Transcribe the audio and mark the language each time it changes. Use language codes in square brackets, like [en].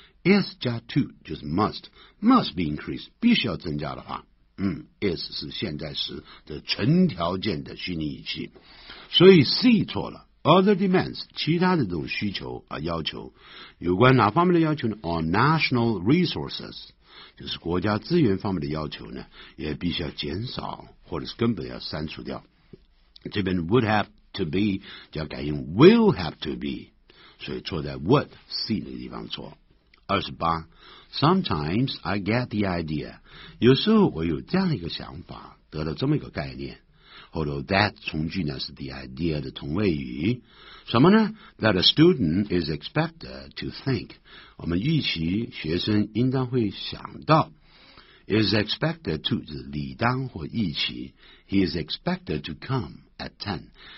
[zh] is 加 to 就是 [en] must be increased [zh] 必须要增加的话，is 是现在时的成条件的虚拟语气，所以 C 错了。 [en] Other demands [zh] 其他的这种需求啊要求，有关哪方面的要求呢 ？ [en] On national resources [zh] 就是国家资源方面的要求呢，也必须要减少或者是根本要删除掉。这边 [en] would have to be [zh] 就要改用 [en] will have to be， [zh] 所以错在 would C 那个地方错。 [en] 28 Sometimes I get the idea. [zh] 有时候我有这样一个想法，得到这么一个概念。 [en] Although that [zh] 从句呢是 [en] the idea [zh] 的同位语。什么呢 [en] ?That a student is expected to think. [zh] 我们预期学生应当会想到。 [en] Is expected to, [zh] 就是理当或预期。 [en] He is expected to come at 10.